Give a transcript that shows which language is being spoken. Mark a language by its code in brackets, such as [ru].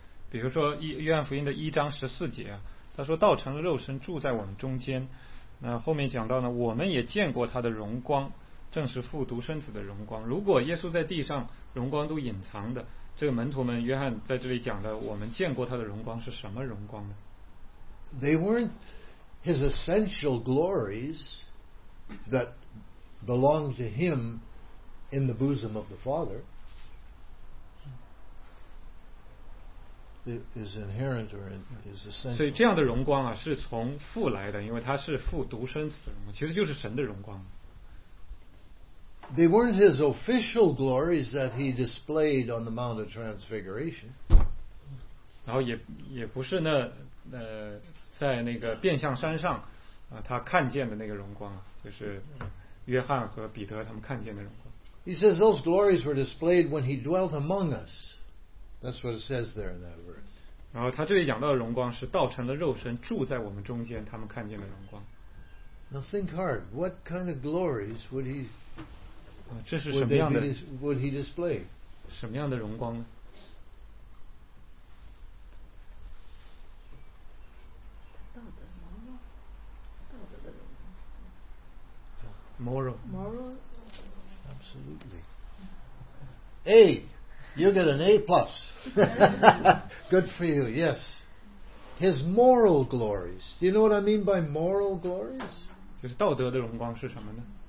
[zh] 比如说约翰福音的一章十四节，他说道成了肉身住在我们中间，那后面讲到呢，我们也见过他的荣光，正是父独生子的荣光。如果耶稣在地上荣光都隐藏的，这个门徒们，约翰在这里讲的我们见过他的荣光是什么荣光呢？ [en] They weren't his essential glories that belonged to him in the bosom of the Father. Is inherent or is essential. [zh] 所以这样的荣光啊，是从父来的，因为他是父独生子的荣光，其实就是神的荣光。 [en] They weren't his official glories that he displayed on the Mount of Transfiguration. [zh] 然后也不是呢，在那个变相山上啊，他看见的那个荣光，就是约翰和彼得他们看见的荣光。 [en] He says those glories were displayed when he dwelt among us. That's what it says there in that verse. [zh] 然后他这里讲到的荣光是道成了肉身住在我们中间，他们看见的荣光。 [en] Now think hard. What kind of glories would he? [zh] 这是什么样的 [en] would he display? [zh] 什么样的荣光呢？ [en] Moral. Absolutely. A. You get an A plus. Good for you, yes. His moral glories. Do you know what I mean by moral glories? [zh] 就是道德的荣光是什么呢？